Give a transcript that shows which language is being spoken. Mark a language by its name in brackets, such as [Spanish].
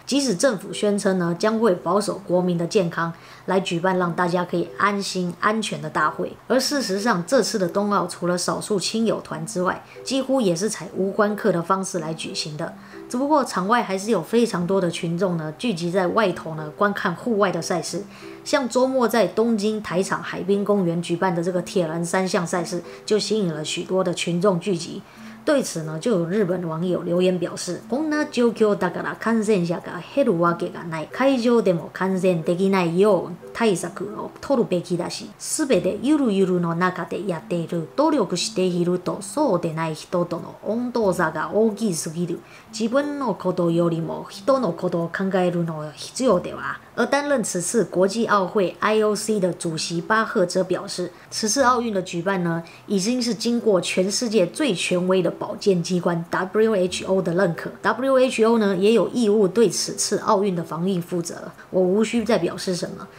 [Chinese] 即使政府宣称呢将会保守国民的健康来举办让大家可以安心安全的大会，而事实上这次的冬奥除了少数亲友团之外，几乎也是采无观客的方式来举行的。只不过场外还是有非常多的群众呢聚集在外头呢观看户外的赛事，像周末在东京台场海滨公园举办的这个铁人3项赛事就吸引了许多的群众聚集。对此呢，就有日本网友留言表示， [Japanese] こんな状況だから感染者が減るわけがない。会場でも感染できないよう対策を取るべきだし、すべてゆるゆるの中でやっている。努力しているとそうでない人との温度差が大きすぎる。自分のことよりも人のことを考えるのは必要では。 [Chinese] 而担任此次国际奥会 IOC 的主席巴赫则表示，此次奥运的举办呢，已经是经过全世界最权威的保健机关 WHO 的认可。 WHO 呢，也有义务对此次奥运的防疫负责，我无需再表示什么。